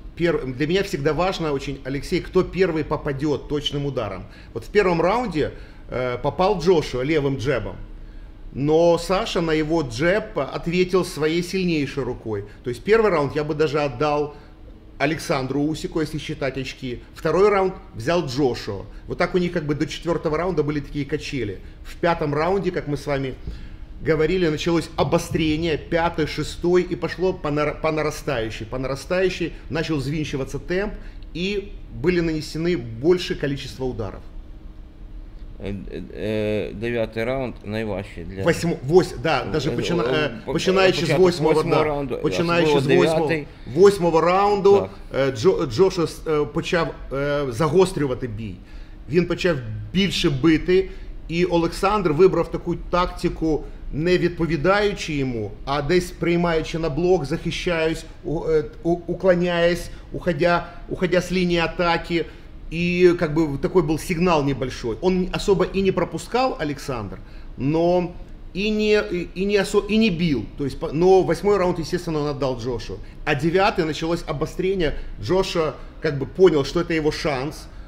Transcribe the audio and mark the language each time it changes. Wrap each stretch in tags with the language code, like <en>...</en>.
<uk>Для мене завжди важливо,</uk> <ru>очень,</ru> <uk>Олексій, хто перший попаде точним ударом. От в першому раунді попав Джошуа лівим джебом.</uk> <ru>Но Саша на его джеб ответил своей сильнейшей рукой. То есть первый раунд я бы даже отдал Александру Усику, если считать очки. Второй раунд взял Джошуа. Вот так у них как бы до 4-го раунда были такие качели. В 5-м раунде, как мы с вами говорили, началось обострение. 5-й, 6-й и пошло по нарастающей. По нарастающей начал взвинчиваться темп и были нанесены большее количество ударов.</ru> <uk>9-й раунд найважчий для 8,</uk> <ru>да, даже</ru> <uk>починаючи з 8-го раунду, починаючи з 8-го раунду, Джошуа почав загострювати бій. Він почав більше бити, і Олександр вибрав таку тактику, не відповідаючи йому, а десь приймаючи на блок, захищаючись,</uk> <ru>уклоняясь, уходя</ru> <uk>з лінії атаки.</uk> <ru>И как бы такой был сигнал небольшой. Он особо и не пропускал Александр, но и не бил. То есть, но 8-й раунд, естественно, он отдал Джошуа. А 9-й началось обострение. Джошуа как бы понял, что это его шанс.</ru>